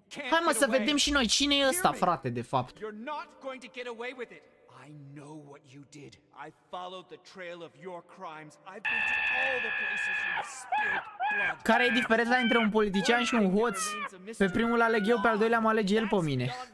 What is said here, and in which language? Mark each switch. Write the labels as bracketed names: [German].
[Romanian] Hai mă să vedem și noi cine e ăsta, frate, de fapt. [English] You're not going to get away with it. I know what you did. I followed the trail of your crimes. I've been to all the places you spilled blood. [Romanian] Care e diferența între un politician și un hoț? Pe primul aleg eu, pe al doilea mă alege el pe mine.